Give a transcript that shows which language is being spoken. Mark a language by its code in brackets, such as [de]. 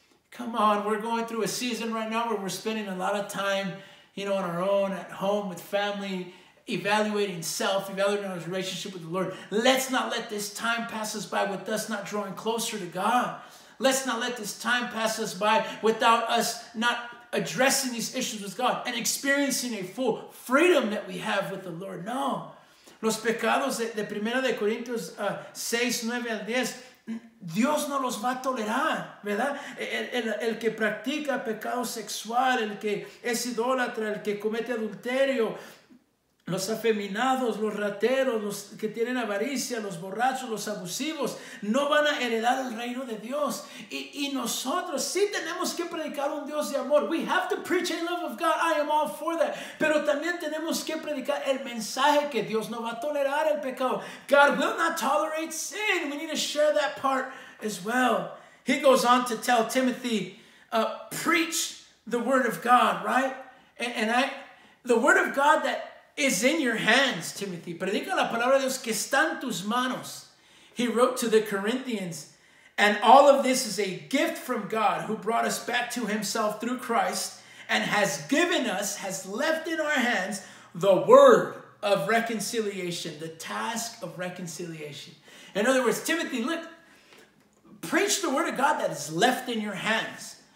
[en] Come on, we're going through a season right now where we're spending a lot of time, you know, on our own, at home, with family, evaluating self, evaluating our relationship with the Lord. Let's not let this time pass us by with us not drawing closer to God. Let's not let this time pass us by without us not addressing these issues with God and experiencing a full freedom that we have with the Lord. [es] No. Los pecados de 1 Corintios 6, 9 al 10, Dios no los va a tolerar, ¿verdad? El que practica pecado sexual, el que es idólatra, el que comete adulterio, los afeminados, los rateros, los que tienen avaricia, los borrachos, los abusivos, no van a heredar el reino de Dios. Y nosotros sí tenemos que predicar un Dios de amor. [en] We have to preach a love of God. I am all for that. [es] Pero también tenemos que predicar el mensaje que Dios no va a tolerar el pecado. [en] God will not tolerate sin. We need to share that part as well. He goes on to tell Timothy, preach the word of God, right? And the word of God that is in your hands, Timothy. [es] Predica la palabra de Dios que está en tus manos. [en] He wrote to the Corinthians. And all of this is a gift from God who brought us back to himself through Christ and has given us, has left in our hands, the word of reconciliation, the task of reconciliation. In other words, Timothy, look, preach the word of God that is left in your hands.